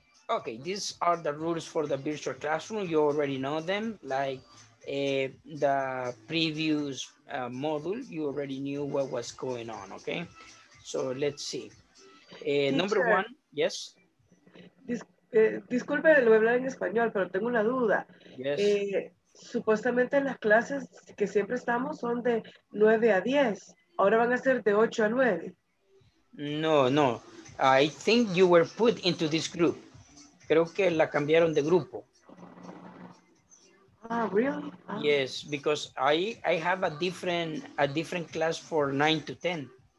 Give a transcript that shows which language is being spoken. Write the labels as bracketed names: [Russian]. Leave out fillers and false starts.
[English] Okay, these are the rules for the virtual classroom. You already know them, like the previous module, you already knew what was going on, okay? So let's see. Number one, yes. [Spanish] Disculpe, lo voy a hablar en español, pero tengo una duda. [English] Yes. [Spanish] Supuestamente las clases que siempre estamos son de 9 a 10. Ahora van a ser de 8 a 9. No, no. [English] I think you were put into this group. [Spanish] Creo que la cambiaron de grupo. [English] Ah, really? Yes, because I have a different class for 9 to 10.